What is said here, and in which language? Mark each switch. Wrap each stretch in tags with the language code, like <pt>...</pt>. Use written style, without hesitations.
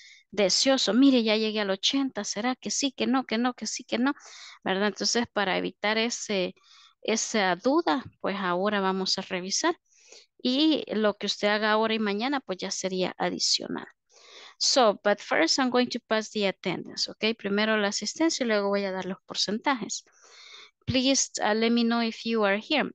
<es>deseoso, mire, ya llegué al 80, ¿será que sí, que no, que no, que sí, que no? ¿Verdad? Entonces, para evitar esa duda, pues ahora vamos a revisar. Y lo que usted haga ahora y mañana, pues ya sería adicional.</es> <en>So, but first I'm going to pass the attendance, ¿ok?</en> <es>Primero la asistencia y luego voy a dar los porcentajes.</es> <en>Please let me know if you are here.</en>